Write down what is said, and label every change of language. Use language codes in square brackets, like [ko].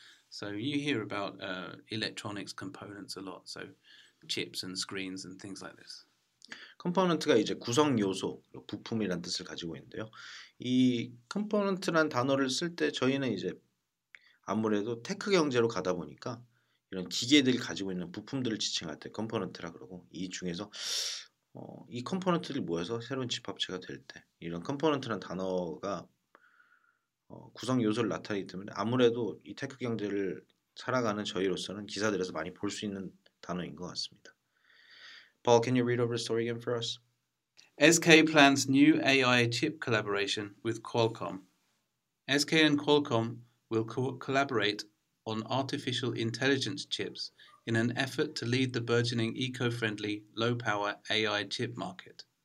[en] So you hear about electronics components a lot, so chips and screens and things like this. [ko] 컴포넌트가 이제 구성 요소, 부품이라는 뜻을 가지고 있는데요. 이 컴포넌트라는 단어를 쓸 때 저희는 이제 아무래도 테크 경제로 가다 보니까 이런 기계들이 가지고 있는 부품들을 지칭할 때 컴포넌트라 그러고 이 중에서 이 컴포넌트들이 모여서 새로운 집합체가 될 때 이런 컴포넌트라는 단어가 구성 요소를 나타내기 때문에 아무래도 이 테크 경제를 살아가는 저희로서는 기사들에서 많이 볼 수 있는 단어인 것 같습니다. [en] Paul, can you read over the story again for us? SK plans new AI chip collaboration with Qualcomm. SK and Qualcomm will collaborate on artificial intelligence chips in an effort to lead the burgeoning eco-friendly, low-power AI chip market.